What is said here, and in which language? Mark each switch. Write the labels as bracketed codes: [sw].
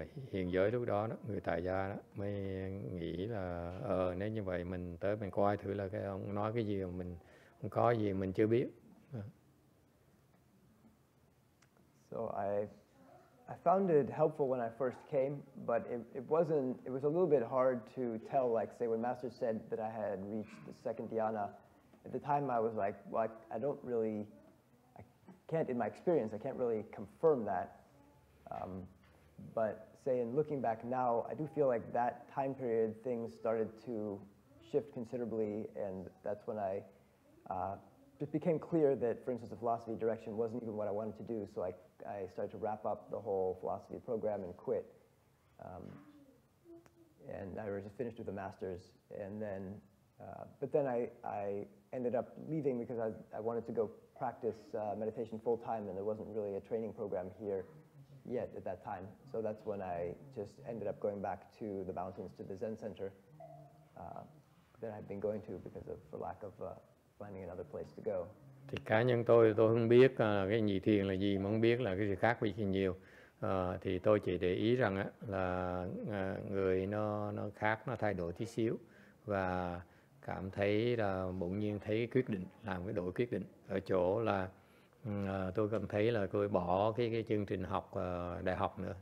[vi] hiện giới lúc đó người tại gia đó mới nghĩ là nếu như vậy mình tới mình coi thử là cái ông nói cái gì mà mình có gì mình chưa biết. [en] So I found it helpful when I first came, but it was a little bit hard to tell, like say when Master said that I had reached the second dhyana. At the time I was like, well, I can't really confirm that. But say in looking back now, I do feel like that time period things started to shift considerably, and that's when I just became clear that, for instance, the philosophy direction wasn't even what I wanted to do, so I started to wrap up the whole philosophy program and quit. And I was just finished with the master's, and then, but then I ended up leaving because I wanted to go practice meditation full time, and there wasn't really a training program here yet at that time. So that's when I just ended up going back to the mountains, to the Zen center that I've been going to because of, for lack of finding another place to go. [vi] Thì cá nhân tôi không biết cái nhị thiền là gì, mà không biết là cái gì khác với thiền nhiều. Thì tôi chỉ để ý rằng là người nó khác, nó thay đổi tí xíu và cảm thấy là bỗng nhiên thấy quyết định, làm cái đổi quyết định ở chỗ là tôi cảm thấy là tôi bỏ cái chương trình học đại học nữa.